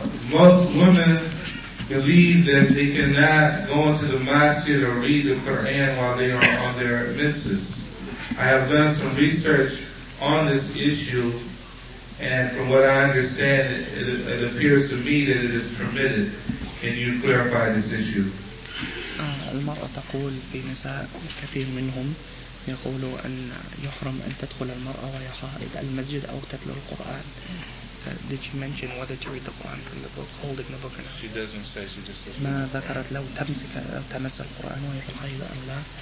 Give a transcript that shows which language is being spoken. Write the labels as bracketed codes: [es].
[en] Most women believe that they cannot go into the masjid or read the Quran while they are on their menses. I have done some research on this issue, and from what I understand, it appears to me that it is permitted. Can you clarify this issue? [ar] المرأة تقول في نساء كثير منهم يقولوا أن يحرم أن تدخل المرأة ويخارج المسجد أو تتلو القرآن. [en] Did she mention whether to read the Quran from the book, holding the book or not? She doesn't say, she just says. [ar] ما ذكرت لو تمسك أو تمس القرآن وهي خارج أم لا.